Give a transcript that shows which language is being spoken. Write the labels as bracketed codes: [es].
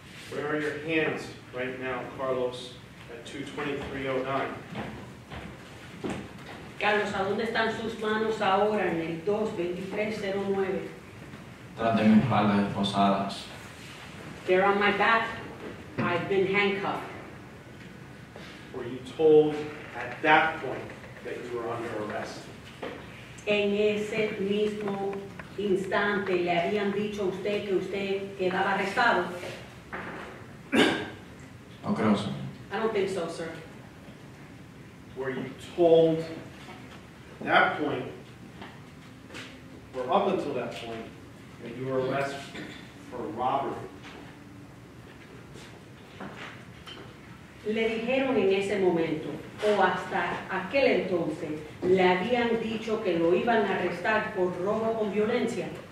[en] Where are your hands right now, Carlos, at 2-23-09? [es] Carlos, ¿a dónde están sus manos ahora en el 2-23-09? Tras de mis espaldas esposadas. [en] They're on my back. I've been handcuffed. Were you told at that point that you were under arrest? [es] En ese mismo instante le habían dicho a usted que usted quedaba arrestado? No creo, sir. [en] I don't think so, sir. Were you told at that point, or up until that point, that you were arrested for robbery? [es] Le dijeron en ese momento, o hasta aquel entonces, le habían dicho que lo iban a arrestar por robo con violencia.